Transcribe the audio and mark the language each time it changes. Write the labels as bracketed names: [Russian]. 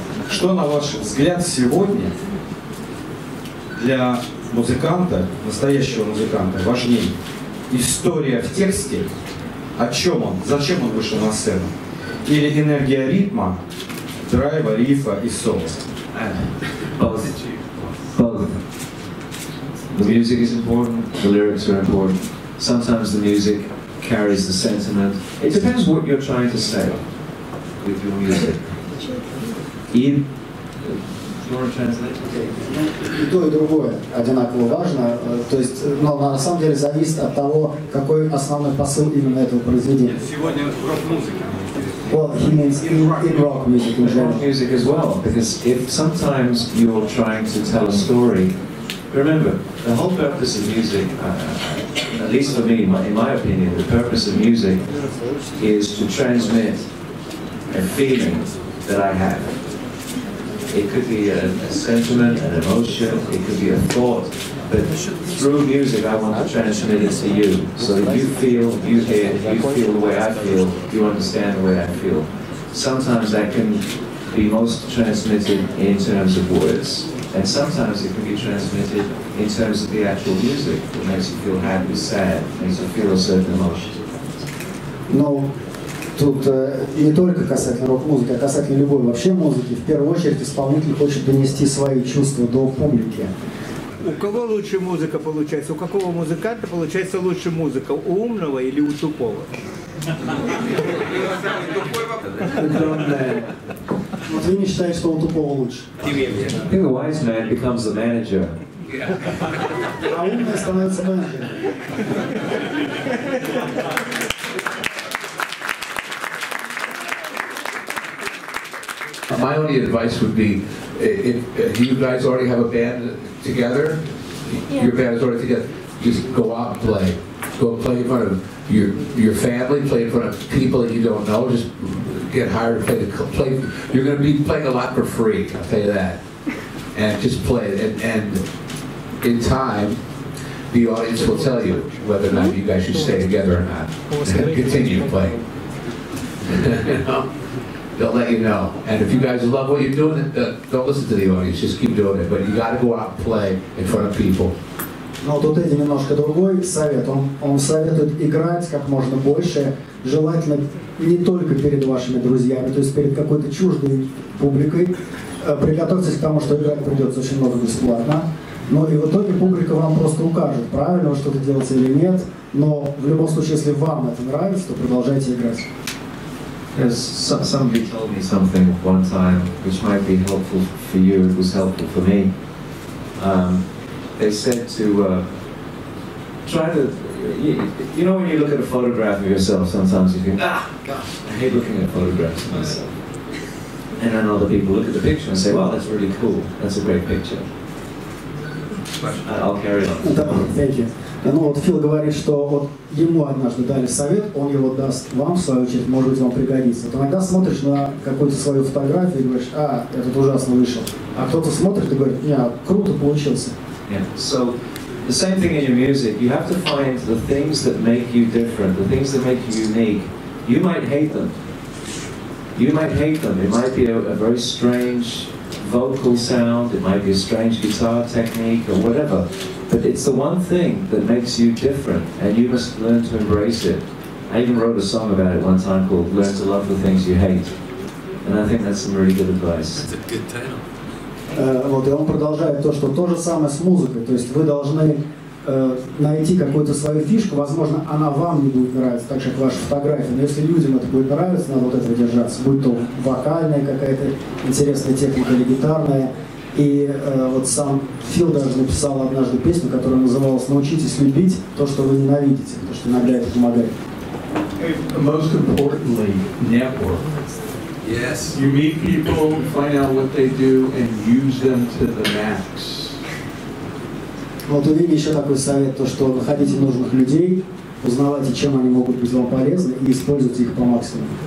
[Russian] Что, на ваш взгляд, сегодня для музыканта, настоящего музыканта, важнее? История в тексте, о чем он, зачем он вышел на сцену? Или энергия ритма, драйва, рифа и соло? [English] Pause. The music is important, the lyrics are important. Sometimes the music carries the sentiment. It depends what you're trying to say with your music. Ian? [Russian] И то, и другое одинаково важно, то есть, но на самом деле зависит от того, какой основной посыл именно этого произведения. Сегодня в рок-музыке. [English] Well, he means in rock music in general. In rock music as well, because if sometimes you're trying to tell a story, remember, the whole purpose of music, at least for me, in my opinion, the purpose of music is to transmit a feeling that I have. It could be a sentiment, an emotion, it could be a thought, but through music I want to transmit it to you. So you feel, you hear, you feel the way I feel, you understand the way I feel. Sometimes that can be most transmitted in terms of words, and sometimes it can be transmitted in terms of the actual music that makes you feel happy, sad, makes you feel a certain emotion. No. [Russian] Тут не только касательно рок-музыки, а касательно любой вообще музыки. В первую очередь исполнитель хочет донести свои чувства до публики. У кого лучше музыка получается? У какого музыканта получается лучше музыка? У умного или у тупого? Вот вы не считаете, что у тупого лучше? [English] I think a wise man becomes a manager. [Russian] А умный становится менеджером. [English] My only advice would be, if you guys already have a band together, yeah. Your band is already together, just go out and play. Go play in front of your family, play in front of people that you don't know, just get hired to play the play. You're going to be playing a lot for free, I'll tell you that. And just play it. And in time, the audience will tell you whether or not you guys should stay together or not. And continue playing. They'll let you know. And if you guys love what you're doing, don't listen to the audience, just keep doing it. But you got to go out and play in front of people. [Russian] Ну, тут Эдди немножко другой совет. Он советует играть как можно больше, желательно не только перед вашими друзьями, то есть перед какой-то чуждой публикой. Приготовьтесь к тому, что играть придется очень много бесплатно. Ну и в итоге публика вам просто укажет, правильно вы что-то делаете или нет. Но в любом случае, если вам это нравится, то продолжайте играть. [English] Somebody told me something one time, which might be helpful for you, it was helpful for me. They said to try to, you know, when you look at a photograph of yourself, sometimes you think, ah, gosh, I hate looking at photographs of myself. And then other people look at the picture and say, wow, that's really cool. That's a great picture. I'll carry on. Thank you. [Russian] Ну вот Фил говорит, что вот ему однажды дали совет, он его даст вам, в свою очередь, может быть, вам пригодится. Ты иногда смотришь на какую-то свою фотографию и говоришь, а, этот ужасно вышел. А кто-то смотрит и говорит, не, круто получился. [English] Yeah, so the same thing in your music. You have to find the things that make you different, the things that make you unique. You might hate them. You might hate them. It might be a very strange vocal sound, it might be a strange guitar technique or whatever. But it's the one thing that makes you different, and you must learn to embrace it. I even wrote a song about it one time called Learn to Love the Things You Hate. And I think that's some really good advice. That's a good title. [Russian] Вот, и он продолжает то же самое с музыкой. То есть вы должны найти какую-то свою фишку, возможно, она вам не будет нравиться, так же, как ваша фотография. Но если людям это будет нравиться, надо вот этого держаться, будь то вокальная какая-то интересная техника или гитарная. И вот сам Фил даже написал однажды песню, которая называлась «Научитесь любить то, что вы ненавидите», то, что иногда это помогает. [English] Most importantly, network. Yes. You meet people, find out what they do, and use them to the max. [Russian] Вот у Вики еще такой совет, то, что находите нужных людей, узнавайте, чем они могут быть вам полезны, и используйте их по максимуму.